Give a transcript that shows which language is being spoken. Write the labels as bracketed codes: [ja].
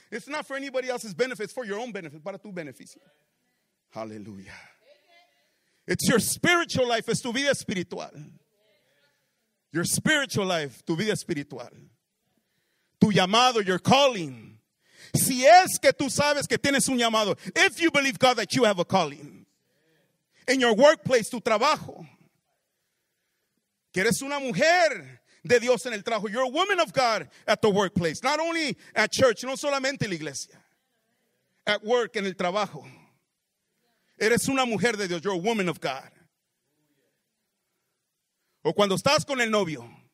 [en] It's not for anybody else's benefit. It's for your own benefit, [es] para tu beneficio. [en] Hallelujah. It's your spiritual life, [es] es tu vida espiritual. [en] Your spiritual life, [es] tu vida espiritual. Tu llamado, [en] your calling. [es] Si es que tú sabes que tienes un llamado. [en] If you believe God that you have a calling. In your workplace, [es] tu trabajo. Que eres una mujer de Dios en el trabajo. [en] You're a woman of God at the workplace. Not only at church, [es] no solamente en la iglesia. [en] At work, [es] en el trabajo. Eres una mujer de Dios. [en] You're a woman of God. [es] O cuando estás con el novio.